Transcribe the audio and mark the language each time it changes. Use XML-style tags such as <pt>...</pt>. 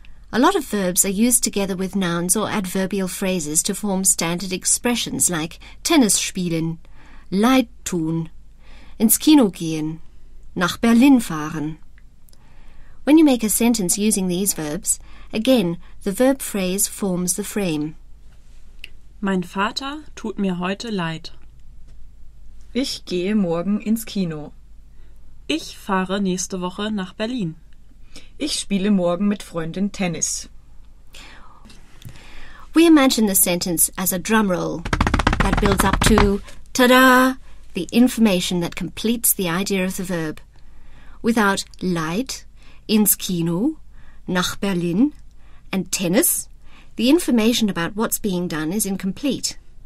<en>A lot of verbs are used together with nouns or adverbial phrases to form standard expressions like tennis spielen, leid tun, ins Kino gehen, nach Berlin fahren. When you make a sentence using these verbs, again, the verb phrase forms the frame.</en> <de>Mein Vater tut mir heute leid. Ich gehe morgen ins Kino. Ich fahre nächste Woche nach Berlin. Ich spiele morgen mit Freundin Tennis.</de> <en>We imagine the sentence as a drum roll that builds up to, ta-da, the information that completes the idea of the verb. Without leid, ins Kino, nach Berlin, and Tennis, the information about what's being done is incomplete.</en>